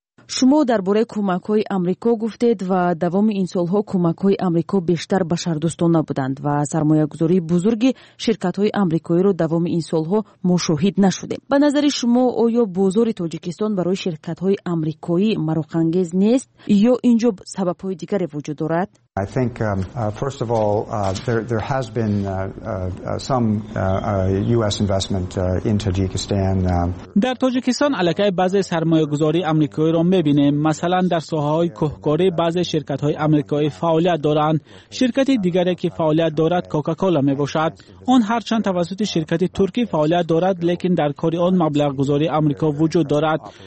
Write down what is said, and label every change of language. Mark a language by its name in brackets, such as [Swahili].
[Persian] شما درباره کمک های آمریکا گفتید و دوام این سالها کمک های آمریکا بیشتر بشردوستانه بودند و سرمایه گذاری بزرگ شرکت های آمریکایی را دوام این سالها مشاهده نشده. به نظر شما آیا بازار تاجیکستان برای شرکت های آمریکایی مروغ‌انگیز نیست یا اینجا سبب های دیگری وجود دارد؟ [English] I think first of all there has been some US investment in Tajikistan. [Persian] در تاجیکستان علاقه بعضی سرمایه‌گذاری آمریکایی را می‌بینیم. مثلا در ساحه‌های کوهکاری بعضی شرکت‌های آمریکایی فعالیت دارند. شرکت دیگری که فعالیت دارد کوکاکولا می‌باشد. آن هرچند توسط شرکت ترکی فعالیت دارد، لیکن در کار آن مبلغ‌گذاری آمریکا وجود دارد.